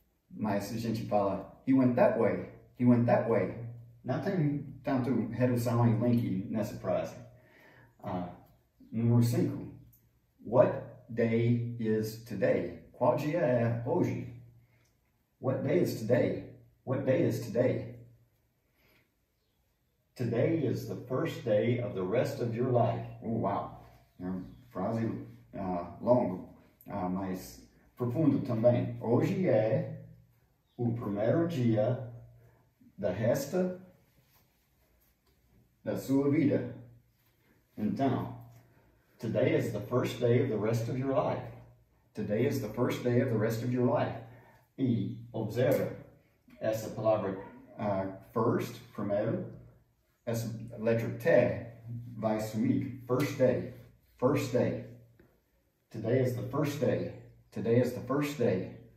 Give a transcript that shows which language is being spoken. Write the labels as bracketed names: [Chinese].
[Portuguese] Mas a gente fala, [English] he went that way, he went that way. [Portuguese] Não tem tanto redução e link nessa frase. Número 5. [English] What day is today? [Portuguese] Qual dia é hoje? [English] What day is today? What day is today? Today is the first day of the rest of your life. [Portuguese] Oh, wow. Frase longa, mas profunda também. Hoje é o primeiro dia da resta da sua vida. [English] Então, today is the first day of the rest of your life. Today is the first day of the rest of your life. [Portuguese] E observa, essa palavra first, primeiro, essa letra T vai sumir. [English] First day, first day. Today is the first day. Today is the first day.